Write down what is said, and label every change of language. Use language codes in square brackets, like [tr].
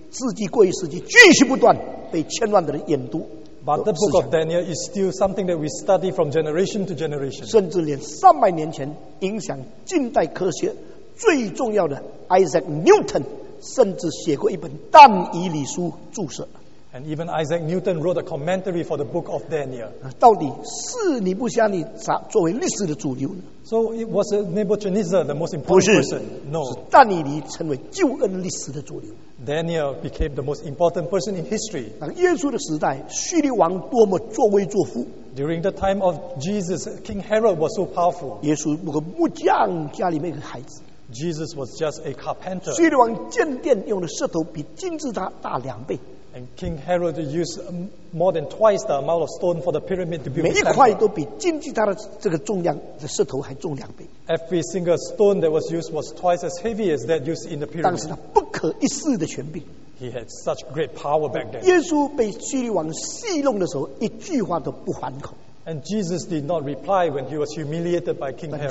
[zh] 但是但以理书一年过一年，因世纪过一世纪，继续不断被千万的人研读。 [en] But the book of Daniel is still something that we study from generation to generation. [zh] 甚至连300年前影响近代科学最重要的 Isaac Newton 甚至写过一本但以理书注释。 [en] And even Isaac Newton wrote a commentary for the book of Daniel. [zh] 到底是尼布甲尼撒作为历史的主流呢？ [en] So it was Nebuchadnezzar the most important person? No. Daniel became the most important person in history. [zh] 耶稣的时代，叙利王多么作威作福。 [en] During the time of Jesus, King Herod was so powerful. [zh] 耶稣不过木匠家里面的孩子。 [en] Jesus was just a carpenter. [zh] 叙利王建殿用的石头比金字塔大两倍。 [en] And King Herod used more than twice the amount of stone for the pyramid to build. [zh] 每一块都比金字塔的这个重量的石头还重两倍。 [en] Every single stone that was used was twice as heavy as that used in the pyramid. [zh] 当时他不可一世的权柄。 [en] He had such great power back then. [zh] 耶稣被叙利王戏弄的时候，一句话都不还口。 [en] And Jesus did not reply when he was humiliated by King Herod.